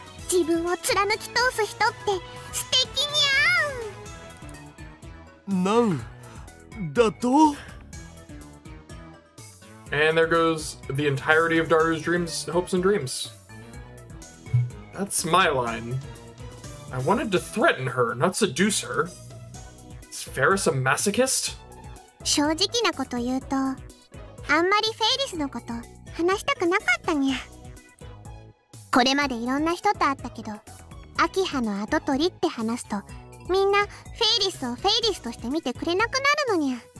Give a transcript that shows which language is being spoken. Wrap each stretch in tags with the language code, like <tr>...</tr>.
<ja>自分を貫き通す人って素敵にゃん。なんだと。</ja> <en>And there goes the entirety of Daru's dreams, hopes and dreams. That's my line. I wanted to threaten her, not seduce her. Is Ferris a masochist?</en> <ja>正直なこと言うと、あんまりフェイリスのこと話したくなかったにゃ。これまでいろんな人と会ったけど、アキハの跡取りって話すと、みんなフェイリスをフェイリスとして見てくれなくなるのにゃ。</ja>